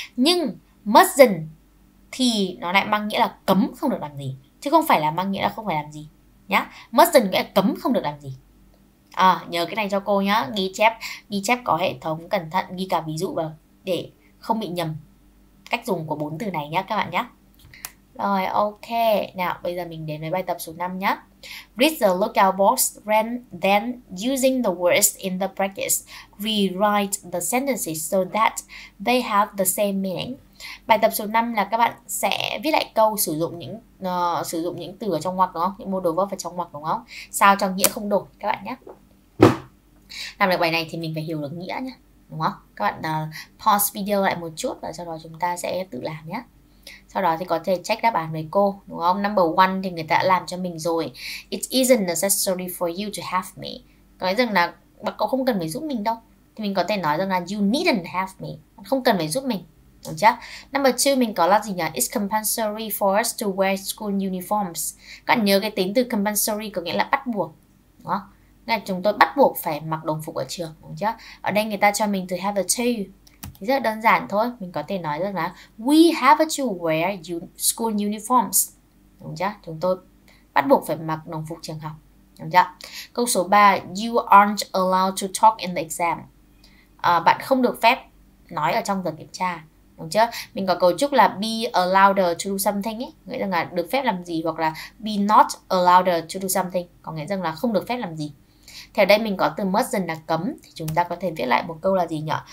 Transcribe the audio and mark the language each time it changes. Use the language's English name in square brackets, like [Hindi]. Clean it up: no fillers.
[Vietnamese] Nhưng mustn't thì nó lại mang nghĩa là cấm không được làm gì, chứ không phải là mang nghĩa là không phải làm gì nhá. Mustn't nghĩa là cấm không được làm gì. Nhớ cái này cho cô nhá, ghi chép có hệ thống, cẩn thận ghi cả ví dụ vào để không bị nhầm cách dùng của bốn từ này nhá các bạn nhá. Rồi, ok, nào bây giờ mình đến với bài tập số 5 nhá. [English] Read the lookout box, then using the words in the brackets, rewrite the sentences so that they have the same meaning. [Vietnamese] Bài tập số 5 là các bạn sẽ viết lại câu sử dụng những từ ở trong ngoặc, đúng không? Những mô đồ verb ở trong ngoặc, đúng không? Sao cho nghĩa không đổi các bạn nhé. Làm được bài này thì mình phải hiểu được nghĩa nhé, đúng không? Các bạn pause video lại một chút và sau đó chúng ta sẽ tự làm nhé. Sau đó thì có thể check đáp án với cô, đúng không? Number 1 thì người ta đã làm cho mình rồi. [English] It isn't necessary for you to have me. [Vietnamese] Nói rằng là bạn cậu không cần phải giúp mình đâu. Thì mình có thể nói rằng là [English] you needn't have me. [Vietnamese] Không cần phải giúp mình, đúng chưa? Number 2 mình có là gì nhỉ? [English] It's compulsory for us to wear school uniforms. [Vietnamese] Các bạn nhớ cái tính từ compulsory có nghĩa là bắt buộc, đúng không? Nghĩa là chúng tôi bắt buộc phải mặc đồng phục ở trường, đúng chưa? Ở đây người ta cho mình từ have a to. Thì rất là đơn giản thôi, mình có thể nói rằng là [English] we have to wear school uniforms, [Vietnamese] đúng chưa? Chúng tôi bắt buộc phải mặc đồng phục trường học, đúng chưa? Câu số 3, [English] you aren't allowed to talk in the exam. [Vietnamese] Bạn không được phép nói ở trong giờ kiểm tra, đúng chưa? Mình có cấu trúc là [English] be allowed to do something [Vietnamese] ấy, nghĩa rằng là được phép làm gì, hoặc là [English] be not allowed to do something, [Vietnamese] có nghĩa rằng là không được phép làm gì. Thì ở đây mình có từ mustn't là cấm, thì chúng ta có thể viết lại một câu là gì nhỉ?